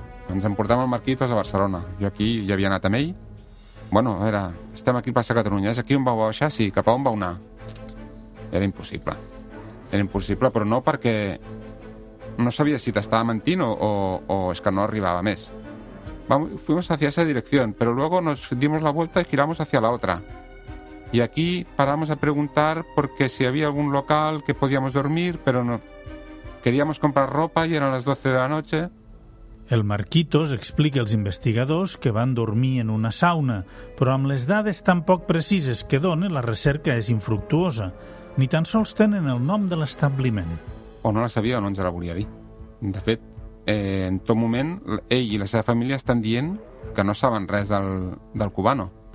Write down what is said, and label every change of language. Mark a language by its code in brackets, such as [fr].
[ca] Ens en portem el Marquitos a Barcelona. Jo aquí ja havia anat amb ell. Bueno, a veure, estem aquí a Plaça Catalunya. És aquí on vau baixar? Sí, cap a on vau anar? Era impossible. Era impossible, però no perquè... No sabia si t'estava mentint o és que no arribava més. [es] Fuimos hacia esa dirección, pero luego nos dimos la vuelta y giramos hacia la otra. Y aquí paramos a preguntar porque si había algún local que podíamos dormir, pero no. Queríamos comprar ropa y eran las 12 de la noche. [ca] El Marquitos explica als investigadors que van dormir en una sauna, però amb les dades tan poc precises que dona, la recerca és infructuosa. Ni tan sols tenen el nom de l'establiment. O no la sabia o no ens la volia dir. De fet, en tot moment, ell i la seva família estan dient que no saben res del cubano.